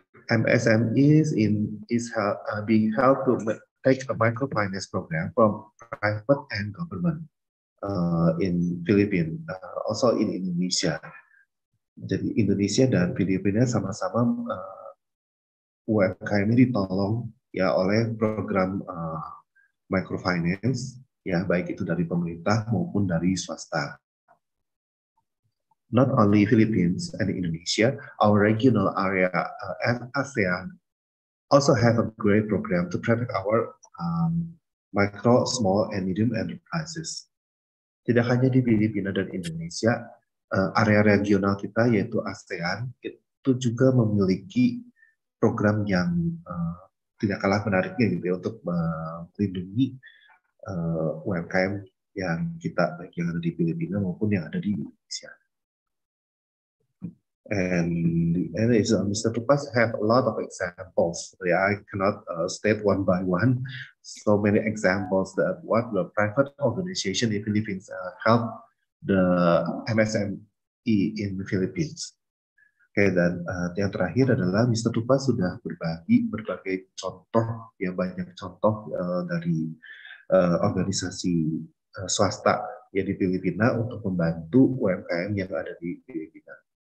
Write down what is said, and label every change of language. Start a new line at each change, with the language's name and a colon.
English: MSMEs being helped to take a microfinance program from private and government in Philippines, also in Indonesia.
Indonesian: Jadi Indonesia dan Filipina sama-sama UMKM ini ditolong ya oleh program microfinance ya, baik itu dari pemerintah maupun dari swasta.
English: Not only Philippines and Indonesia, our regional area and ASEAN also have a great program to protect our micro, small, and medium enterprises.
Indonesian: Tidak hanya di Filipina dan Indonesia, area regional kita yaitu ASEAN itu juga memiliki program yang tidak kalah menariknya gitu, untuk melindungi UMKM yang kita baik yang ada di Filipina maupun yang ada di Indonesia.
English: And Mr. Tupas have a lot of examples. Yeah, I cannot state one by one. So many examples that what the private organization in Philippines help the MSME in the Philippines.
Indonesian: Okay, dan yang terakhir adalah Mr. Tupas sudah berbagi berbagai contoh, ya banyak contoh dari organisasi swasta ya di Filipina untuk membantu UMKM yang ada di Filipina.